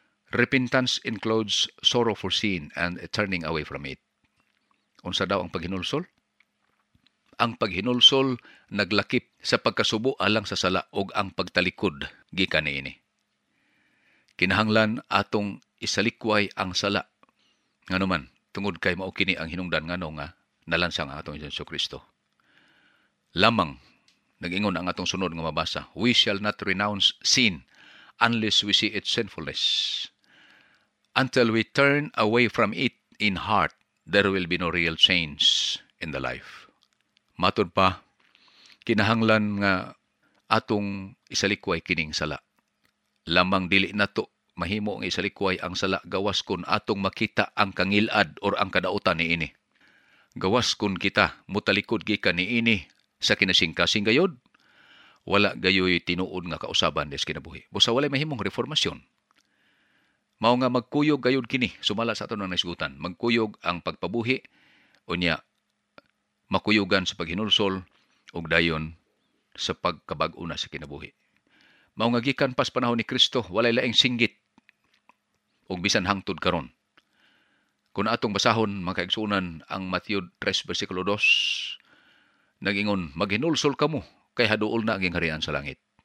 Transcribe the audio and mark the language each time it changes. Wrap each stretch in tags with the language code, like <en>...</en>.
<en>Repentance includes sorrow for sin and turning away from it.</en> <ceb>Unsa daw ang paghinulsol? Ang paghinulsol naglakip sa pagkasubo alang sa sala og ang pagtalikod gikan niini. Kinahanglan atong isalikway ang sala. Ngano man, tungod kay mao kini ang hinungdan ngano nga nalansang atong Jesucristo. Lamang, nagingon ang atong sunod nga mabasa,</ceb> <en>we shall not renounce sin unless we see its sinfulness. Until we turn away from it in heart, there will be no real change in the life.</en> <ceb>Matod pa, kinahanglan nga atong isalikway kining sala. Lamang dili nato mahimo ang isalikway ang sala gawas kun atong makita ang kangilad or ang kadautan ni ini. Gawas kun kita mutalikod gikan ni ini sa kinasingkasing gayod, wala gayoy tinuod nga kausaban des kinabuhi. Busa walay mahimong reformasyon. Mao nga magkuyog gayod kini, sumala sa ato ng naisgutan. Magkuyog ang pagpabuhi, unya makuyogan sa paghinulsol, ug dayon sa pagkabag-una sa kinabuhi. Mao nga gikan pas panahon ni Kristo, walay laing singgit, ug bisan hangtod karon. Kung atong basahon, mga kaigsunan, ang Matthew 3, versikulo 2, nagingon, maghinulsol kamu, kay haduol na ang gingharian sa langit.</ceb>